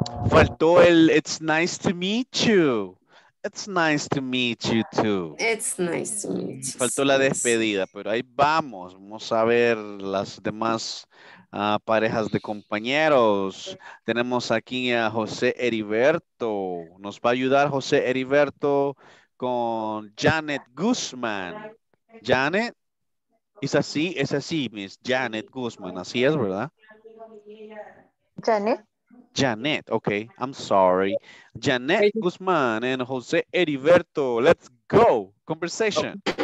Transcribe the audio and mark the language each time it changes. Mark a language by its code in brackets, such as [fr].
[es] Faltó el [en] it's nice to meet you, it's nice to meet you too. It's nice to meet you. [es] Faltó la despedida, pero ahí vamos, vamos a ver las demás parejas de compañeros. Tenemos aquí a José Heriberto, nos va a ayudar José Heriberto con Janet Guzmán. Janet, es así, Miss Janet Guzmán, así es, ¿verdad? [en] Janet, ok, I'm sorry. Janet Guzmán and José Heriberto, let's go, conversation.